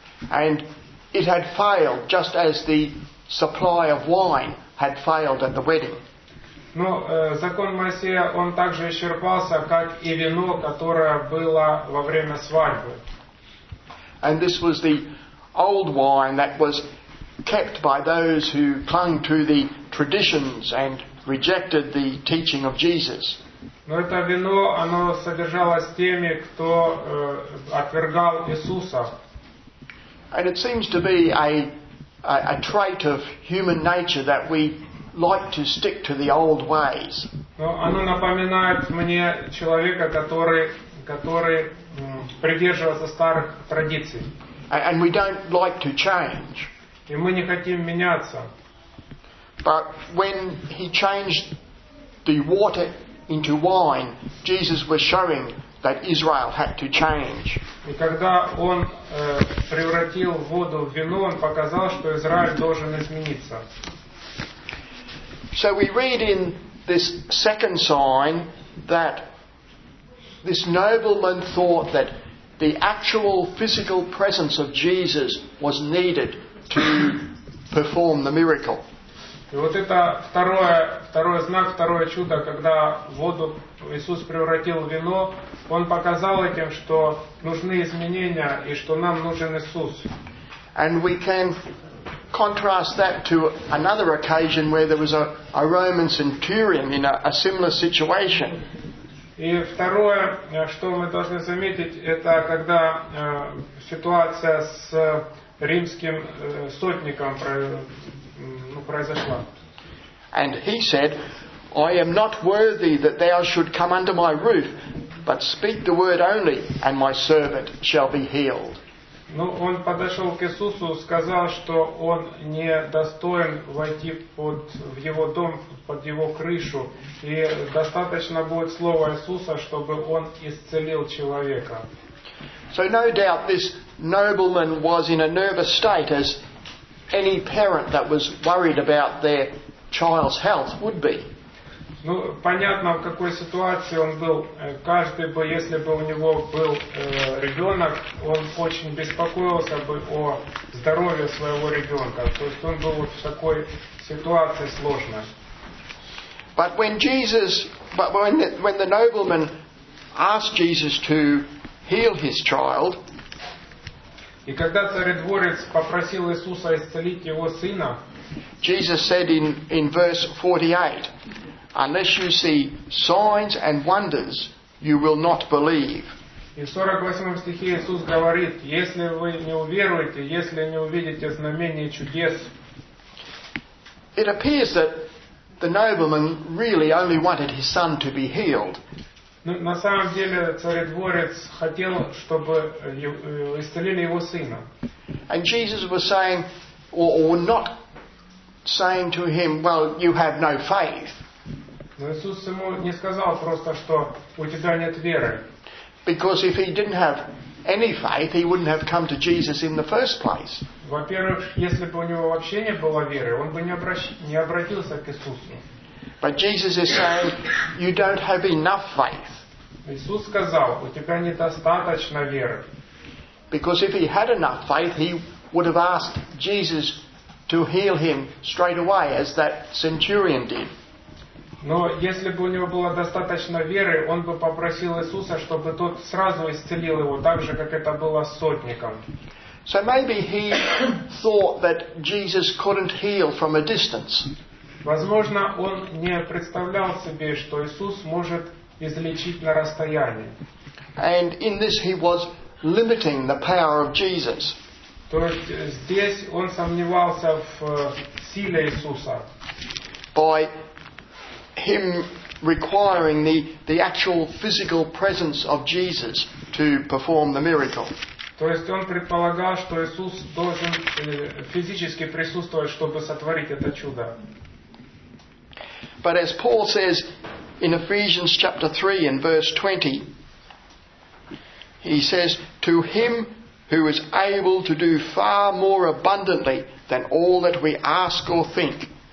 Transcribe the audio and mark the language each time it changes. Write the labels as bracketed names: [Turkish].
[English] And it had failed, just as the supply of wine had failed at the wedding. [Russian] Но закон Моисея он также исчерпался, как и вино, которое было во время свадьбы. [English] And this was the old wine that was kept by those who clung to the traditions and rejected the teaching of Jesus. [Russian] Но это вино, оно содержалось теми, кто отвергал Иисуса. [English] And it seems to be a trait of human nature that we like to stick to the old ways. [Russian] Но оно напоминает мне человека, который придерживается старых традиций. [English] And we don't like to change. [Russian] И мы не хотим меняться. [English] But when he changed the water into wine, Jesus was showing that Israel had to change. [Russian] И когда он превратил воду в вино, он показал, что Израиль должен измениться. [English] So we read in this second sign that this nobleman thought that the actual physical presence of Jesus was needed to perform the miracle. [Russian] И вот это второй знак, второе чудо, когда воду Иисус превратил в вино, он показал этим, что нужны изменения и что нам нужен Иисус. [English] And we can contrast that to another occasion where there was a Roman centurion in a similar situation. [Russian] И второе, что мы должны заметить, это когда ситуация с римским сотником произошла. [English] And he said, I am not worthy that thou should come under my roof, but speak the word only, and my servant shall be healed. [Russian] Ну, он подошел к Иисусу, сказал, что он не достоин войти в его дом, под его крышу, и достаточно будет слова Иисуса, чтобы он исцелил человека. [English] So no doubt this nobleman was in a nervous state, as any parent that was worried about their child's health would be. [Russian] Ну, понятно, в какой ситуации он был. Каждый бы, если бы у него был ребенок, он очень беспокоился бы о здоровье своего ребенка. То есть он был в такой ситуации сложной. [English] But when Jesus, when the nobleman asked Jesus to heal his child, [Russian] и когда царедворец попросил Иисуса исцелить его сына, [English] Jesus said in verse 48, unless you see signs and wonders, you will not believe. [Russian] И в 48 стихе Иисус говорит, если вы не уверуете, если не увидите знамения и чудес. [English] It appears that the nobleman really only wanted his son to be healed. [Russian] На самом деле царедворец хотел, чтобы исцелили его сына. [English] And Jesus was saying, or not saying to him, well, you have no faith. [Russian] Но Иисус ему не сказал просто, что у тебя нет веры. [English] Because if he didn't have any faith, he wouldn't have come to Jesus in the first place. [Russian] Во-первых, если бы у него вообще не было веры, он бы не обратился к Иисусу. [English] But Jesus is saying, you don't have enough faith. [Russian] Иисус сказал, у тебя недостаточно веры. [English] Because if he had enough faith, he would have asked Jesus to heal him straight away, as that centurion did. [Russian] Но если бы у него было достаточно веры, он бы попросил Иисуса, чтобы тот сразу исцелил его, так же, как это было с сотником. [English] So maybe he thought that Jesus couldn't heal from a distance. [Russian] Возможно, он не представлял себе, что Иисус может излечить на расстоянии. [English] And in this he was limiting the power of Jesus. [Russian] То есть здесь он сомневался в силе Иисуса. [English] By him requiring the actual physical presence of Jesus to perform the miracle. [Russian] То есть он предполагал, что Иисус должен физически присутствовать, чтобы сотворить это чудо. [English] But as Paul says in Ephesians chapter 3 in verse 20, he says, to him who is able to do far more abundantly than all that we ask or think.